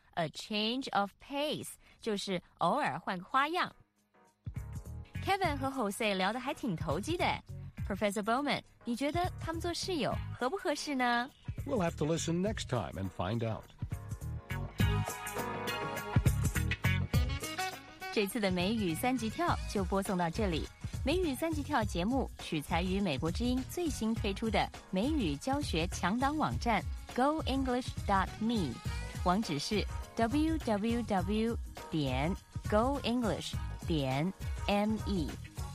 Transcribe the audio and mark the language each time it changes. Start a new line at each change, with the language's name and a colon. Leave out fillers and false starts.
English: A change of pace
Chinese: 就是偶尔换个花样。 Kevin 和 Jose 聊得还挺投机的。Professor Bowman, 你觉得他们做室友合不合适呢?
English: We'll have to listen next time and find out.
Chinese: 这次的美语三级跳就播送到这里。美语三级跳节目取材于美国之音最新推出的美语教学强档网站 goenglish.me， 网址是 www.goenglish.me。